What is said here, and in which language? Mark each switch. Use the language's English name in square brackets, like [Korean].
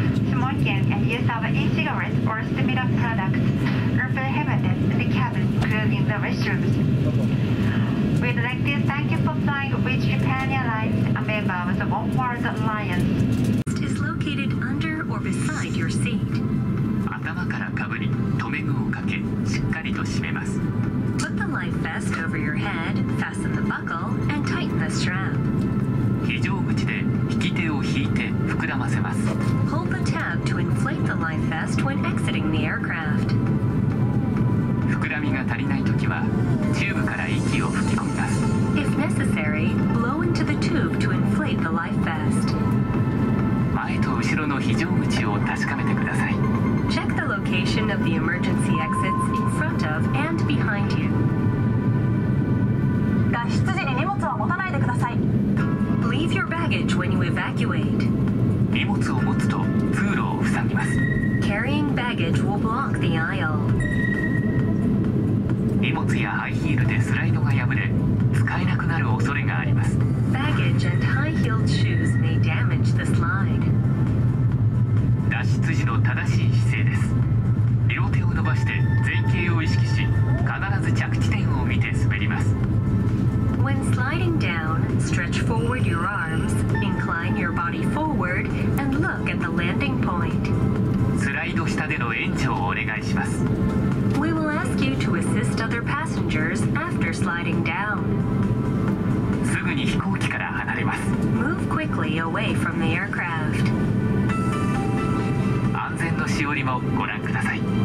[English] Smoking and use of e-cigarettes or similar products are prohibited in the cabin, including the restrooms. We'd like to thank you for flying with Japan Airlines, a member of the One World Alliance. Under or beside your seat. [Japanese] 頭からかぶり、留め具をかけ、しっかりと締めます。 [English] Put the life vest over your head, fasten the buckle, and tighten the strap. [Japanese] 非常口で引き手を引いて膨らませます。 [English] Hold the tab to inflate the life vest when exiting the aircraft. [Japanese] 膨らみが足りないときは、チューブから息を吹き込みます。 [English] If necessary, blow into the tube to inflate the life vest. [Japanese] 前と後ろの非常口を確かめてください。 [English] Check the location of the emergency exits in front of and behind you. [Japanese] 脱出時に荷物は持たないでください。 [English] Leave your baggage when you evacuate. [Japanese] 荷物を持つと通路を塞ぎます。 [English] Carrying baggage will block the aisle. [Japanese] 荷物やハイヒールでスライドが破れ、使えなくなる恐れがあります。 [English] Baggage and high-heeled shoes may damage the slide. [Japanese] 脱出時の正しい姿勢です。両手を伸ばして前傾を意識し、必ず着地点を見て滑ります。 [English] When sliding down, stretch forward your arms, incline your body forward, and look at the landing point. [Japanese] スライド下での援助をお願いします。 [English] We will ask you to assist other passengers after sliding down. [Japanese] すぐに飛行機から離れます。 [English] Move quickly away from the aircraft. [Japanese] 安全のしおりもご覧ください。